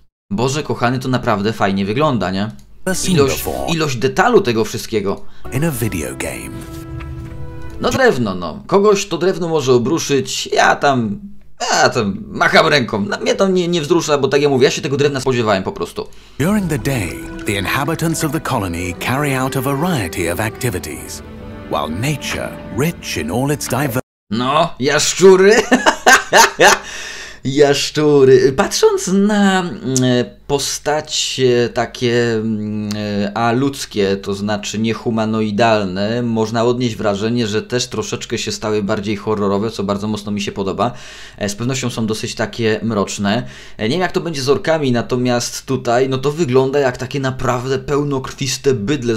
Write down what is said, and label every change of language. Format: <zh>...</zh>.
<pl>Boże kochany, to naprawdę fajnie wygląda, nie? Ilość detalu tego wszystkiego.</pl> <en>In a video game.</en> <pl>No drewno, no. Kogoś to drewno może obruszyć, ja tam macham ręką. No, mnie to nie wzrusza, bo tak jak mówię, ja się tego drewna spodziewałem po prostu.</pl> <en>During the day, the inhabitants of the colony carry out a variety of activities, while nature, rich in all its diverse...</en> <pl>No, jaszczury! Jaszczury. Patrząc na postacie takie aludzkie, to znaczy niehumanoidalne, można odnieść wrażenie, że też troszeczkę się stały bardziej horrorowe, co bardzo mocno mi się podoba. Z pewnością są dosyć takie mroczne. Nie wiem, jak to będzie z orkami, natomiast tutaj, no to wygląda jak takie naprawdę pełnokrwiste bydle.</pl>